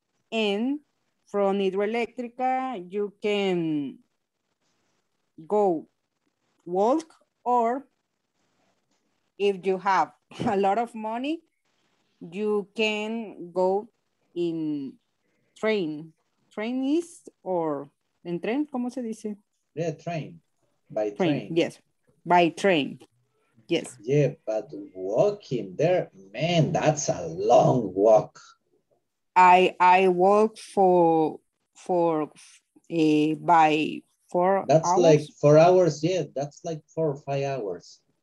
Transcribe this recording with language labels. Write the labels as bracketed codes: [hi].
[en] And from Hidroeléctrica, you can go walk, or if you have a lot of money, you can go in train. Train east or [es] en tren, ¿cómo se dice? [en] Yeah, train. By train. Yes, by train. Yes. Yeah, but walking there, man, that's a long walk. I work for by 4 hours. That's like 4 hours, yeah. That's like 4 or 5 hours.